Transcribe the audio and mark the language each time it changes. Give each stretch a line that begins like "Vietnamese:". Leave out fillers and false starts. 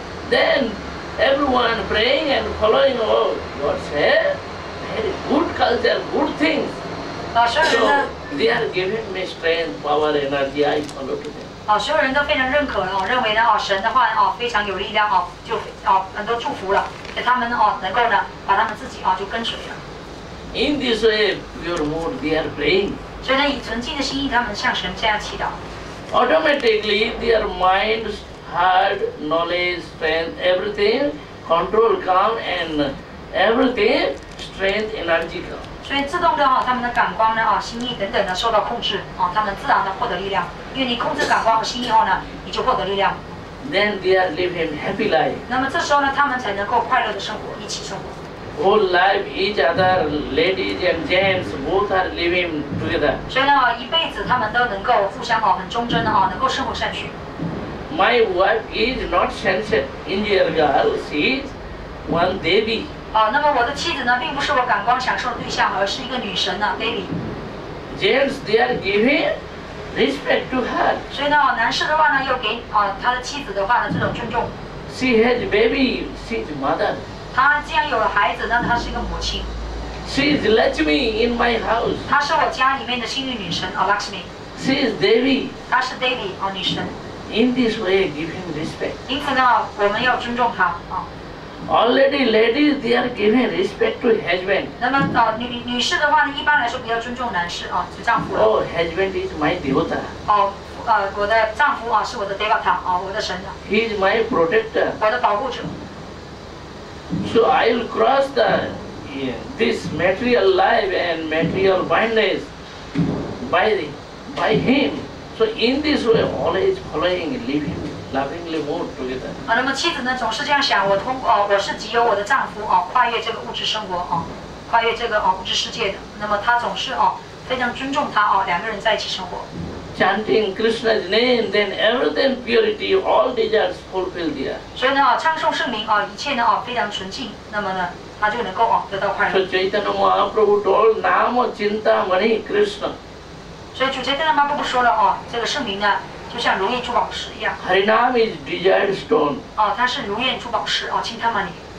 English: Then everyone praying and following all God said, very good culture, good things.
Chinese: 所有人
English: 呢 they are giving me strength, power, energy. I follow to them.
Chinese: 所有人都非常认可了，认为呢，神的话非常有力量啊，就很多祝福了，给他们能够呢，把他们自己就跟随了。
English: In this way, your mood, they are praying.
Chinese: 所以呢，以纯净的心意，他们向神这样祈祷。
English: Automatically, their mind, heart, knowledge, strength, everything, control, calm, and everything, strength, energy.
Chinese: 所以自动的他们的感官呢心意等等的受到控制他们自然的获得力量。因为你控制感官和心意后呢，你就获得力量。
English: Then they are living happy life.
Chinese: 那么这时候呢，他们才能够快乐的生活，一起生活。
English: Whole life, each other, ladies and gents, both are living together.
Chinese: 所以呢，一辈子他们都能够互相很忠贞的能够生活下去。
English: My wife is not sentient Indian girl. She is one devi.
Chinese: 那么我的妻子呢，并不是我感官享受的对象，而是一个女神呢 ，devi。
English: Gents, they are giving. Respect to her.
Chinese: 所以呢，男士的话呢，又给他的妻子的话呢，这种尊重。
English: She has baby. She's mother.
Chinese: 她既然有了孩子，那她是一个母亲。
English: She is Lakshmi in my house.
Chinese: 她是我家里面的幸运女神Lakshmi.
English: She is Devi.
Chinese: 她是 Devi 女神。
English: In this way, giving respect.
Chinese: 因此呢，我们要尊重她
English: Already, ladies, they are giving respect to husband.
Chinese: 那么女士的话呢，一般来说比较尊重男士就丈夫
English: 了。Oh, husband is my devota.
Chinese: 我的丈夫是我的 devota 我的神。
English: He is my protector.
Chinese: 我的保护者。
English: So I will cross the this material life and material blindness by him. So in this way, always following, living.
Chinese: 那么妻子呢总是这样想，我是藉由我的丈夫跨越这个物质生活跨越这个物质世界的。那么她总是非常尊重他两个人在一起生活。
English: Chanting Krishna's name, then everything purity, all desires fulfilled there.
Chinese: 所以呢，唱诵圣名一切呢非常纯净，那么呢，他就能够得到快乐。
English: So Chaitanya Mahaprabhu told, Namo Chintamani Krishna.
Chinese: 所以主角在那妈妈不说了这个圣名呢。就像如意珠宝石一样。
English: Harinam is desired stone.
Chinese: 它是如意珠宝石Chintamani.